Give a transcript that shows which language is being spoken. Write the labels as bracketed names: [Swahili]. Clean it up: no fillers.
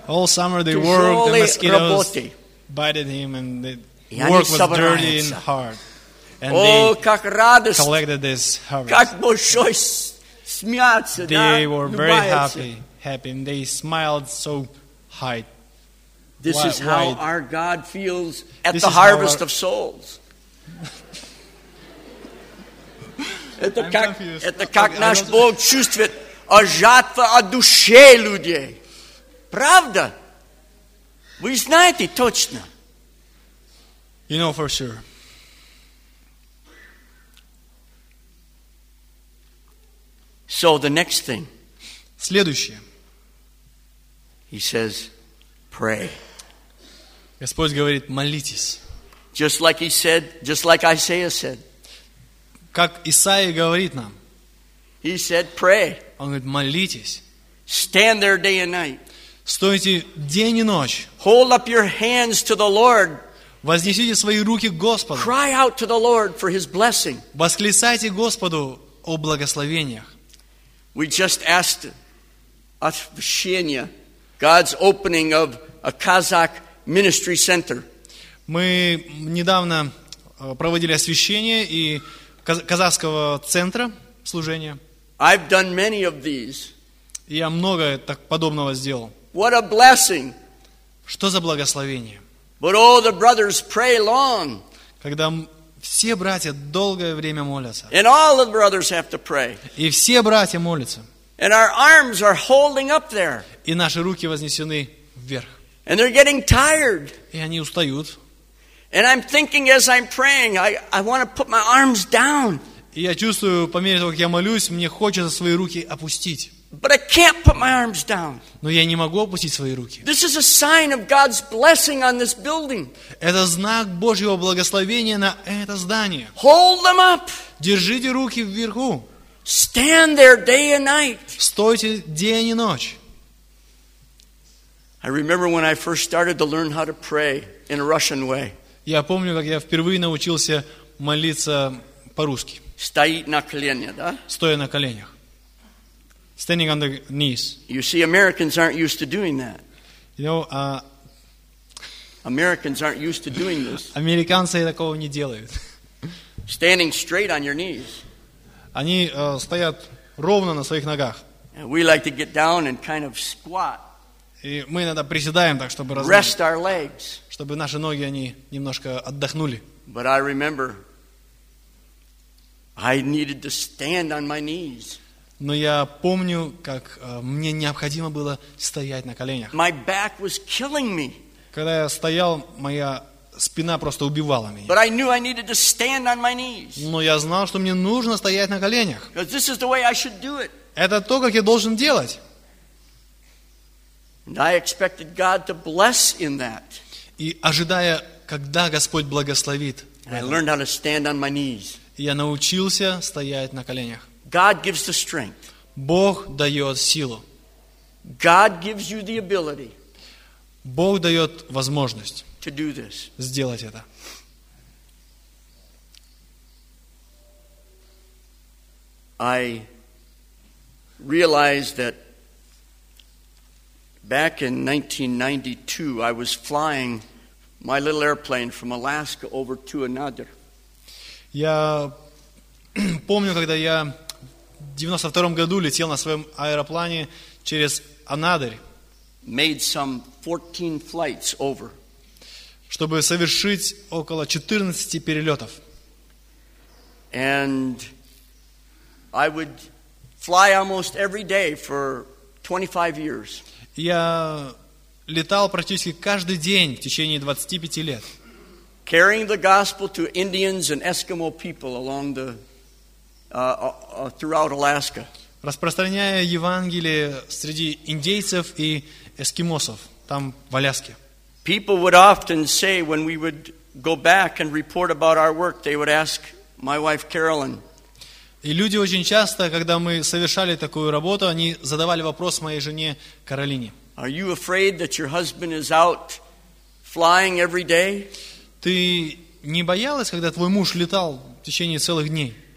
[English] All summer they worked, the mosquitoes bited him, and the work was dirty and hard. And [Russian] о, как радость! [English] Collected this harvest. [Russian] Как большой смеяться, да? [English] They were very happy, and they smiled so high. This is how our God feels at the harvest of souls. [Russian] Это как наш Бог чувствует о жатве о душе людей. Правда? Вы знаете точно. [English] You know for sure. So the next thing. [Russian] Следующее. [English] He says, pray. [Russian] Господь говорит, молитесь. [English] Just like he said, just like Isaiah said. [Russian] Как Исаия говорит нам. [English] He said, pray. [Russian] Он говорит, молитесь. [English] Stand there day and night. [Russian] Стойте день и ночь. [English] Hold up your hands to the Lord. [Russian] Вознесите свои руки к Господу. [English] Cry out to the Lord for his blessing. [Russian] Восклицайте Господу о благословениях. [English] We just asked отвращение, God's opening of a Kazakh Ministry Center. [Russian] Мы недавно проводили освящение и казахского центра служения. [English] I've done many of these. [Russian] Я много так подобного сделал. [English] What a blessing! [Russian] Что за благословение? [English] But all the brothers pray long. [Russian] Когда все братья долгое время молятся. [English] And all the brothers have to pray. [Russian] И все братья молятся. [English] And our arms are holding up there. [Russian] И наши руки вознесены вверх. [English] And they're getting tired. [Russian] И они устают. [English] And I'm thinking as I'm praying, I want to put my arms down. [Russian] И я чувствую, по мере того, как я молюсь, мне хочется свои руки опустить. [English] But I can't put my arms down. [Russian] Но я не могу опустить свои руки. [English] This is a sign of God's blessing on this building. [Russian] Это знак Божьего благословения на это здание. [English] Hold them up. [Russian] Держите руки вверху. [English] Stand there day and night. [Russian] Стойте день и ночь. [English] I remember when I first started to learn how to pray in a Russian way. [Russian] Я помню, как я впервые научился молиться по-русски. Стоит на коленях, да? [English] Стоя на коленях. Standing on the knees. You see, Americans aren't used to doing that. You know, Americans aren't used to doing this. [Russian] Американцы такого не делают. [English] Standing straight on your knees. [Russian] Они стоят ровно на своих ногах. [English] We like to get down and kind of squat. [Russian] И мы иногда приседаем так, чтобы [English] rest our legs. [Russian] Чтобы наши ноги они немножко отдохнули. [English] But I remember, I needed to stand on my knees. [Russian] Но я помню, как мне необходимо было стоять на коленях. [English] My back was killing me. [Russian] Когда я стоял, моя спина просто убивала меня. [English] But I knew I needed to stand on my knees. [Russian] Но я знал, что мне нужно стоять на коленях. [English] Because this is the way I should do it. [Russian] Это то, как я должен делать. [English] And I expected God to bless in that. [Russian] И ожидая, когда Господь благословит. [English] I learned how to stand on my knees. [Russian] Я научился стоять на коленях. [English] God gives the strength. [Russian] Бог дает силу. [English] God gives you the ability. [Russian] Бог дает возможность [English] to do this. [Russian] Сделать это. [English] I realized that back in 1992 I was flying my little airplane from Alaska over to another. [Russian] Я помню, когда я в 92-м году летел на своем аэроплане через Анадырь, чтобы совершить около 14 перелетов. [English] And I would fly almost every day for 25 years. [Russian] Я летал практически каждый день в течение 25 лет. [English] Carrying the gospel to Indians and Eskimo people along the throughout Alaska. [Russian] Распространяя Евангелие среди индейцев и эскимосов там в Аляске. [English] People would often say when we would go back and report about our work, they would ask my wife Carolyn. [Russian] И люди очень часто, когда мы совершали такую работу, они задавали вопрос моей жене Каролине. [English] Are you afraid that your husband is out flying every day? [Russian] Ты не боялась, когда твой муж летал в течение целых дней?